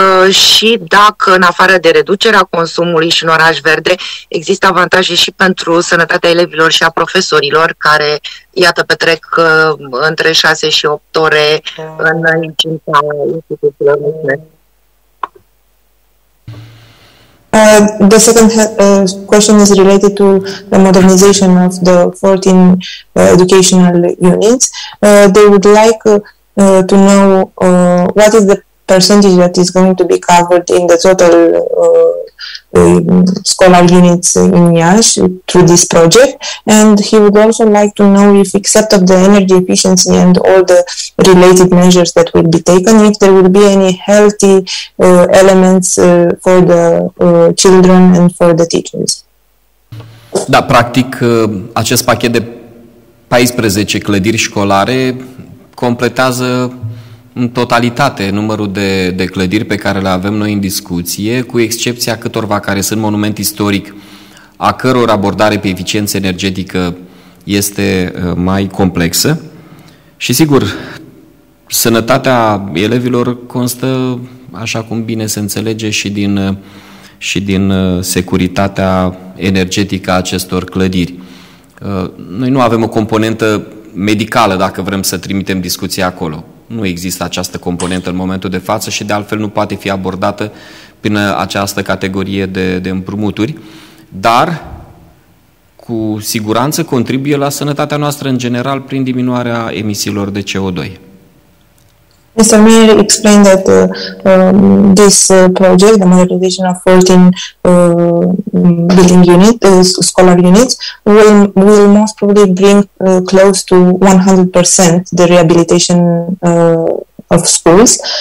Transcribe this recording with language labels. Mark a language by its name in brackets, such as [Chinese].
[Romanian] Și dacă, în afară de reducerea consumului și în oraș verde, există avantaje și pentru sănătatea elevilor și a profesorilor, care, iată, petrec între 6 și 8 ore în incinta instituțiilor. [English] The second question is related to the modernization of the 14 educational units. They would like to know what is the percentage that is going to be covered in the total scholar units in Iași through this project, and he would also like to know if, except of the energy efficiency and all the related measures that will be taken, if there will be any healthy elements for the children and for the teachers. [Romanian] Da, practic, acest pachet de 14 clădiri școlare completează în totalitate numărul de clădiri pe care le avem noi în discuție, cu excepția câtorva care sunt monument istoric, a căror abordare pe eficiență energetică este mai complexă. Și sigur, sănătatea elevilor constă, așa cum bine se înțelege, și din securitatea energetică a acestor clădiri. Noi nu avem o componentă medicală, dacă vrem să trimitem discuția acolo. Nu există această componentă în momentul de față și de altfel nu poate fi abordată prin această categorie de împrumuturi. dar cu siguranță contribuie la sănătatea noastră în general prin diminuarea emisiilor de CO2. [English] Mr. Mayor explained that this project, the modernization of 14 building units, scholar units, will most probably bring close to 100% the rehabilitation of schools.